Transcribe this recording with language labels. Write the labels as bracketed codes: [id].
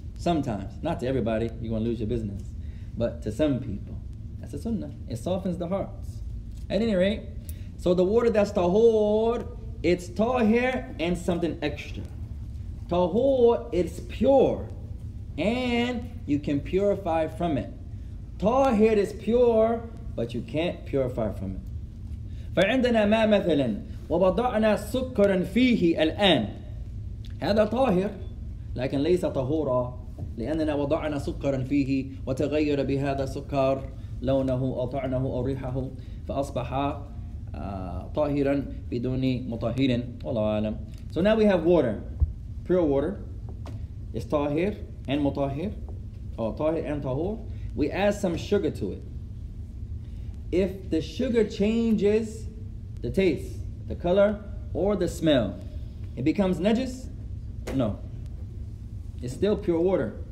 [en] Sometimes, not to everybody, you're gonna lose your business, but to some people, that's a sunnah. It softens the hearts. At any rate, So the water that's tahor, it's tahir and something extra. Tahor, it's pure, and you can purify from it. Tahir is pure, but you can't purify from it. [ar] فعندنا ما مثلا وبضعنا سكرا فيه الآن هذا طاهر لكن ليس طهورا لأننا وضعنا سكرا فيه وتغير بهذا السكر لونه أو طعمه أو ريحه فأصبح طاهرا بدون مطهر والله أعلم. [en] So now we have water, pure water is طاهر and مطهر or طاهر and طهور. We add some sugar to it. If the sugar changes the taste, the color, or the smell, it becomes najis? No. It's still pure water.